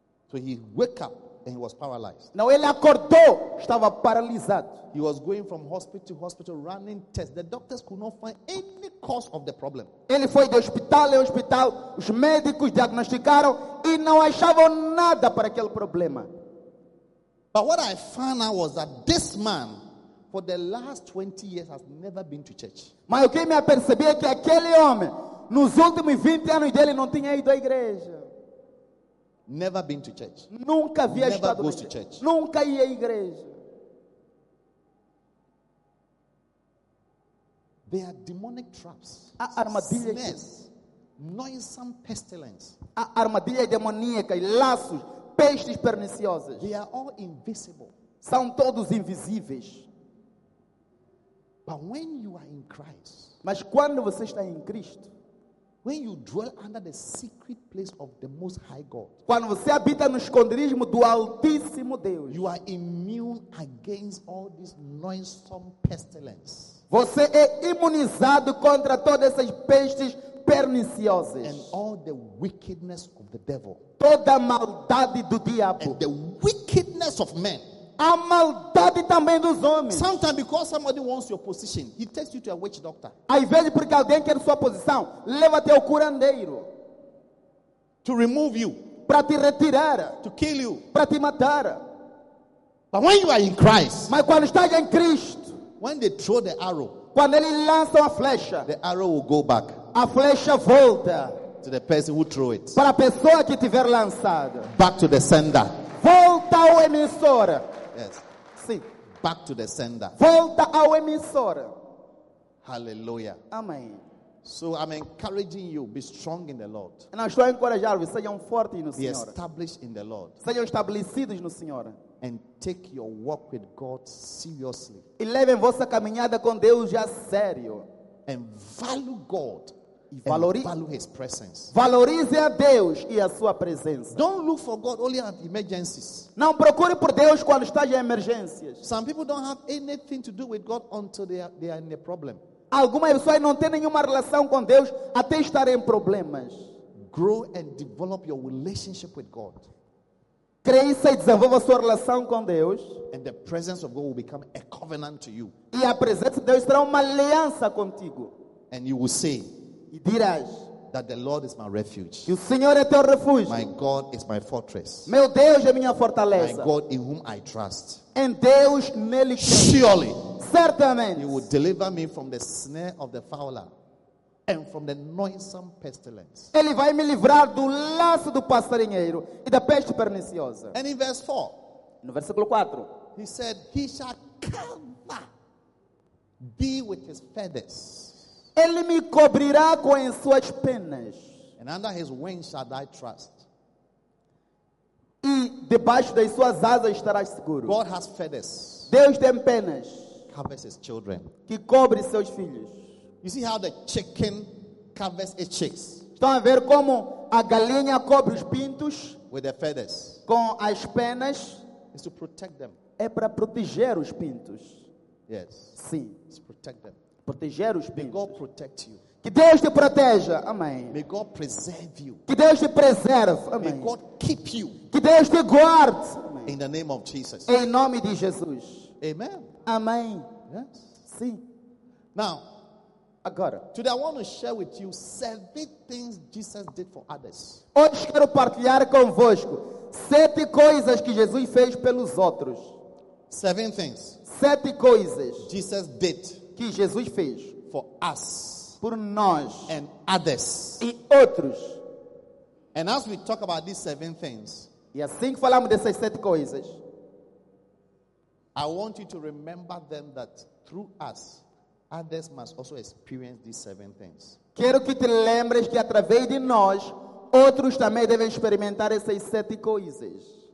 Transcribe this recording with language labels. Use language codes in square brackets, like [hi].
[en] So he woke up and he was paralyzed. Now [pt] ele acordou, estava paralisado. [en] He was going from hospital to hospital running tests. The doctors could not find any cause of the problem. [pt] Ele foi de hospital em hospital, os médicos diagnosticaram e não achavam nada para aquele problema. [en] But what I found out was that this man for the last 20 years has never been to church. [pt] Mas o que me apercebi é que aquele homem nos últimos 20 anos dele não tinha ido à igreja. [en] Never been to church. [pt] Nunca havia [en] Never [pt] estado [en] goes to church. [pt] Nunca ia à igreja. [en] There are demonic traps. [pt] Há armadilhas. [en] Snares, noisome pestilence. [pt] Há armadilhas demoníacas, laços, pestes perniciosas. [en] They are all invisible. [pt] São todos invisíveis. [en] But when you are in Christ, [pt] mas quando você está em Cristo, [en] When you dwell under the secret place of the Most High God, [pt] quando você habita no esconderijo do Altíssimo Deus, [en] you are immune against all this noisome pestilence. [pt] Você é imunizado contra todas essas pestes perniciosas. [en] And all the wickedness of the devil. [pt] Toda a maldade do diabo. [en] And the wickedness of men. [pt] A maldade também dos homens. [en] Sometimes because somebody wants your position, he takes you to a witch doctor. [pt] Às vezes porque alguém quer sua posição, leva-te ao curandeiro. [en] To remove you. [pt] Para te retirar. [en] To kill you. [pt] Para te matar. [en] But when you are in Christ. [pt] Mas quando estás em Cristo. [en] When they throw the arrow. [pt] Quando ele lança a flecha. [en] The arrow will go back. [pt] A flecha volta. [en] To the person who threw it. [pt] Para a pessoa que tiver lançado. [en] Back to the sender. [pt] Volta ao emissor. [en] Yes. [pt] Sim. [en] Back to the sender. [pt] Volta ao emissor. [en] Hallelujah. [pt] Amém. [en] So I'm encouraging you, be strong in the Lord. [pt] Não, estou a encorajar-vos, sejam fortes no [en] be [pt] Senhor. [en] Be established in the Lord. [pt] Sejam estabelecidos no Senhor. [en] And take your walk with God seriously. [pt] E levem vossa caminhada com Deus a sério. [en] And value God. [pt] E valorize, [en] and value his presence. [pt] Valorize a Deus e a sua presença. [en] Don't look for God only at emergencies. [pt] Não procure por Deus quando está em emergências. [en] Some people don't have anything to do with God until they are in a problem. [pt] Algumas pessoas não têm nenhuma relação com Deus até estarem em problemas. [en] Grow and develop your relationship with God. [pt] Cresça e desenvolva sua relação com Deus. [en] And the presence of God will become a covenant to you. [pt] E a presença de Deus será uma aliança contigo. [en] And you will say. [pt] E dirás, [en] that the Lord is my refuge. [pt] Que o Senhor é teu refúgio. [en] My God is my fortress. [pt] Meu Deus é minha fortaleza. [en] My God in whom I trust. [pt] Em Deus nele creio. [en] Surely. [pt] Certamente. [en] He will deliver me from the snare of the fowler and from the noisome pestilence. [pt] Ele vai me livrar do laço do passarinheiro e da peste perniciosa. [en] And in verse 4. [pt] No versículo 4. [en] He said, he shall cover thee with his feathers. [pt] Ele me cobrirá com as suas penas. [en] And under his wings shall I trust. [pt] E debaixo das suas asas estarás seguro. [en] God has feathers. [pt] Deus tem penas. [en] Covers his children. [pt] Que cobre seus filhos. [en] You see how the chicken covers its chicks. [pt] Estão a ver como a galinha cobre os pintos. [en] With the feathers. [pt] Com as penas. [en] It's to protect them. [pt] É para proteger os pintos. [en] Yes. [pt] Sim. [en] It's to protect them. [pt] Proteger os bens. [en] May God protect you. [pt] Que Deus te proteja. Amém. [en] May God preserve you. [pt] Que Deus te preserve. Amém. [en] May God keep you. [pt] Que Deus te guarde. Amém. [en] In the name of Jesus. [pt] Em nome de Jesus. [en] Amen. [pt] Amém. [en] Yes. [pt] Sim. [en] Now, [pt] agora, [en] today I want to share with you seven things Jesus did for others. [pt] Hoje quero partilhar convosco sete coisas que Jesus fez pelos outros. [en] Seven things. [pt] Sete coisas. [en] Jesus did. [pt] Que Jesus fez [en] for us, [pt] por nós, [en] and others, [pt] e outros. [en] And as we talk about these seven things, [pt] e assim que falamos dessas sete coisas, [en] I want you to remember them that through us, others must also experience these seven things. [pt] Quero que te lembres que através de nós, outros também devem experimentar essas sete coisas.